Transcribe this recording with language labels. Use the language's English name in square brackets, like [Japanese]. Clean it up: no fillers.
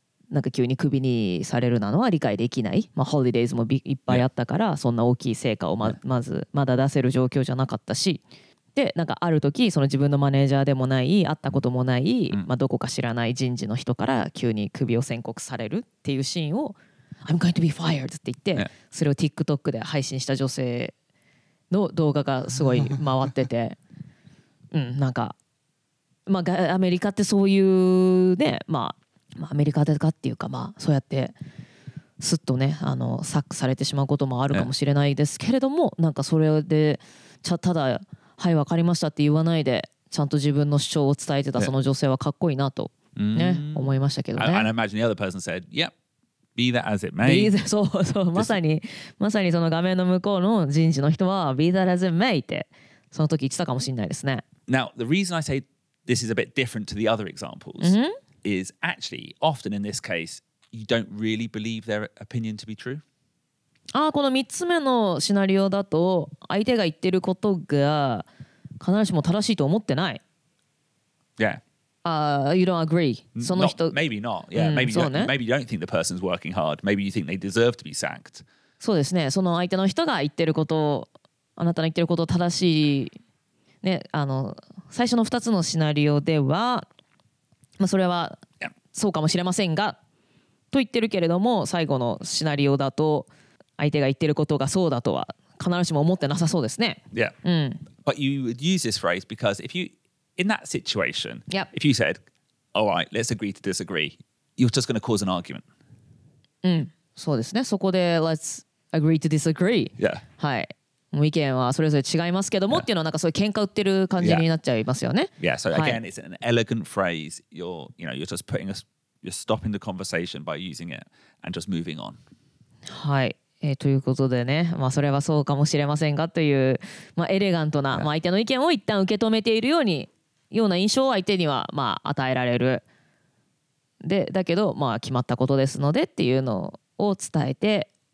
[Japanese] なんか急にクビにされるなのは理解できない。まあホリデーズもいっぱいあったから、そんな大きい成果を まずまだ出せる状況じゃなかったし、でなんかある時その自分のマネージャーでもない会ったこともない、まあどこか知らない人事の人から急にクビを宣告されるっていうシーンを [English] I'm going to be fired [Japanese] って言って、それを TikTok で配信した女性の動画がすごい回ってて、うんなんかまあアメリカってそういうねまあ。まあ、アメリカでかっていうか、まあ、そうやってすっとねあのサックされてしまうこともあるかもしれないですけれども、yeah. なんかそれでただはいわかりましたって言わないでちゃんと自分の主張を伝えてたその女性はかっこいいなと、ね [English] mm-hmm. [Japanese] 思いましたけどね [English] I imagine the other person said Yep, be that as it may [Japanese] そうそうまさにまさにその画面の向こうの人事の人は [English] Be that as it may [Japanese] ってその時言ってたかもしれないですね [English] Now, the reason I say this is a bit different to the other examples、 mm-hmm. Is actually often in this case you don't really believe their opinion to be true. [Japanese] Ah, この3つ目のシナリオだと相手が言ってることが必ずしも正しいと思ってない。 [English] Yeah. You don't agree. [Japanese] その人 [English] maybe not. Yeah. Maybe [Japanese] そうね。 [English] Maybe you don't think the person's working hard. Maybe you think they deserve to be sacked. [Japanese] そうですね。その相手の人が言ってることあなたの言ってること正しいねあの最初の2つのシナリオでは。まあ、それはそうかもしれませんがと言ってるけれども最後のシナリオだと相手が言ってることがそうだとは必ずしも思ってなさそうですね。 [English] Yeah. [Japanese] うん。 [English] But you would use this phrase because if you, in that situation,、 yep. if you said, all right, let's agree to disagree, you're just going to cause an argument. [Japanese] うん。そうですね。そこで [English] let's agree to disagree. Yeah. [Japanese] はい。意見はそれぞれ違いますけども、 [English] yeah. [Japanese] っていうのはなんかそういう喧嘩売ってる感じになっちゃいますよね。 [English] Yeah, so again,、はい、it's an elegant phrase. You're, you know, you're just putting a, you're stopping the conversation by using it and just moving on. [Japanese] はい、ということでね、まあそれはそうかもしれませんがという、まあエレガントな、yeah. まあ相手の意見を一旦受け止めているようにような印象を相手にはまあ与えられる。で、だけどまあ決まったことですのでっていうのを伝えて。